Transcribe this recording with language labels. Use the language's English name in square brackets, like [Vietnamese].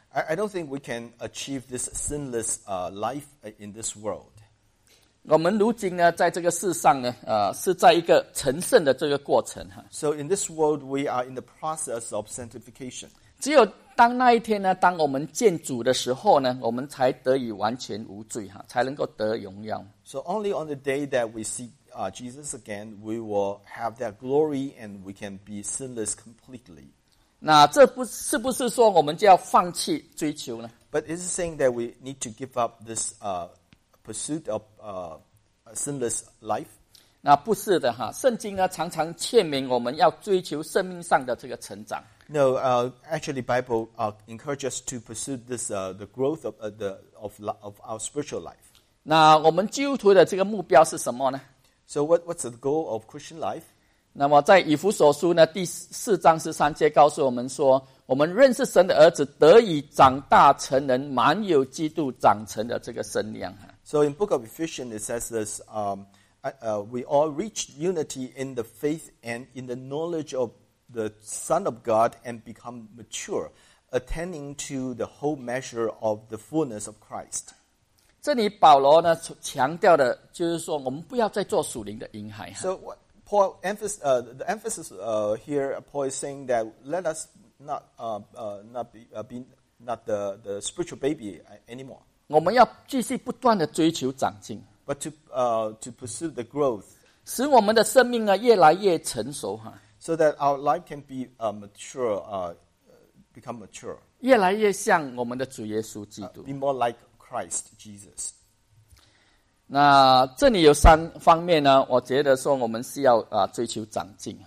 [English] I don't think we can achieve this sinless life in this world. [Chinese] 我们如今呢，在这个世上呢，是在一个成圣的这个过程哈。 [English] So in this world, we are in the process of sanctification. [Chinese] 只有当那一天呢，当我们见主的时候呢，我们才得以完全无罪哈，才能够得荣耀。 [English] So only on the day that we see Jesus again, we will have that glory and we can be sinless completely. [Chinese] 那这不是不是说我们就要放弃追求呢 [English] ？But is it saying that we need to give up this pursuit of sinless life? [Chinese] 那不是的哈，圣经呢常常劝勉我们要追求生命上的这个成长。 [English] No, actually, Bible encourages us to pursue this the growth of our spiritual life. [Chinese] 那我们基督徒的这个目标是什么呢 [English] ？So what's the goal of Christian life? [Chinese] 那么在以弗所书呢第四章十三节告诉我们说，我们认识神的儿子，得以长大成人，满有基督长成的这个身量。 [English] So in Book of Ephesians it says this. We all reach unity in the faith and in the knowledge of. The Son of God and become mature, attaining to the whole measure of the fullness of Christ. [Chinese] 这里保罗呢强调的就是说，我们不要再做属灵的婴孩。 [English] So what Paul emphasis here, Paul is saying that let us not be the spiritual baby anymore. [Chinese] 我们要继续不断的追求长进。 [English] But to pursue the growth, [Chinese] 使我们的生命呢越来越成熟哈。 [English] So that our life can be mature, become mature. [Chinese] 越来越像我们的主耶稣基督。 [English] Be more like Christ Jesus. [Chinese] 那这里有三方面呢，我觉得说我们是要追求长进。